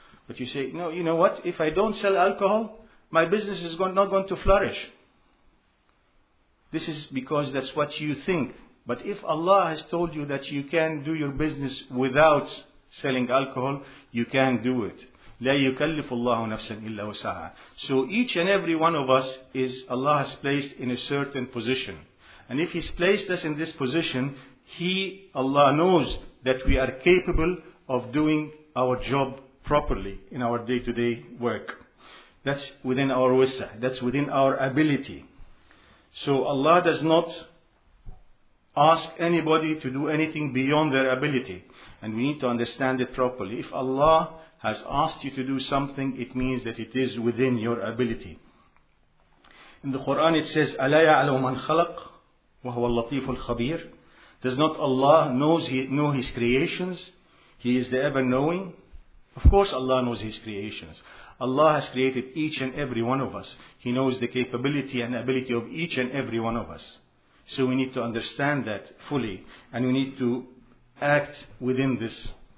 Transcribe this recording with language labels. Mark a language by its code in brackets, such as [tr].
[en] But you say, no, you know what? If I don't sell alcohol, my business is not going to flourish. This is because that's what you think. But if Allah has told you that you can do your business without selling alcohol, you can do it. [ar] لا يكلف الله نفسا إلا وسعها. [en] So each and every one of us is Allah has placed in a certain position. And if He's placed us in this position, He, Allah, knows that we are capable of doing our job properly in our day-to-day work. That's within our wissa, that's within our ability. So Allah does not ask anybody to do anything beyond their ability. And we need to understand it properly. If Allah has asked you to do something, it means that it is within your ability. In the Quran it says, [ar] أَلَا يَعْلَمُ مَنْ خَلَقَ وَهُوَ اللَّطِيفُ الْخَبِيرُ. [en] Does not Allah know His creations? He is the ever-knowing. Of course Allah knows His creations. Allah has created each and every one of us. He knows the capability and ability of each and every one of us. So we need to understand that fully. And we need to act within this.